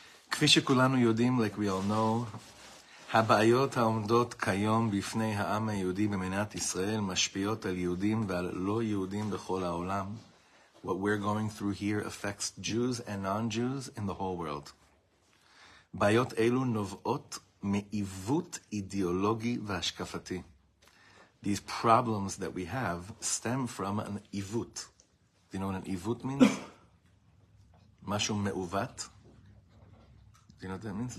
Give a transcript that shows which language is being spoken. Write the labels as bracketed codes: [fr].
[he] כפי שכולנו יודעים, [en] like we all know, [he] הבעיות העומדות כיום בפני העם היהודי במדינת ישראל משפיעות על יהודים ועל לא יהודים בכל העולם. [en] What we're going through here affects Jews and non-Jews in the whole world. [he] בעיות אלו נובעות מעיוות אידיאולוגי והשקפתי. [en] These problems that we have stem from an ivut. Do you know what an ivut means? Mashum meuvat. Do you know what that means?